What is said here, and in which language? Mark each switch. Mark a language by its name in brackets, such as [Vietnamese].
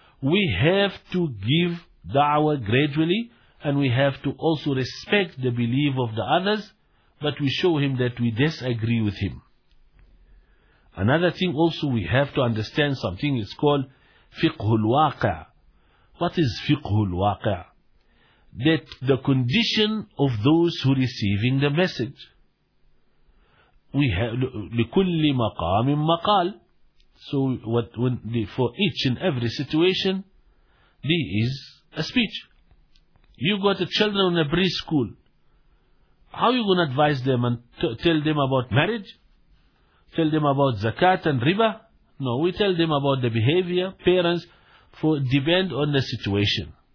[English] We have to give da'wah gradually and we have to also respect the belief of the others, but we show him that we disagree with him. Another thing also, we have to understand something, it's called fiqhul waqa. What is fiqhul waqa? That the condition of those who receiving the message. We have [Arabic] لِكُلِّ مَقَامٍ مَقَالٍ. [English] So for each and every situation, there is a speech. You got the children in a preschool. How are you going to advise them and tell them about marriage? Tell them about zakat and riba? No, we tell them about the behavior, parents, depend on the situation.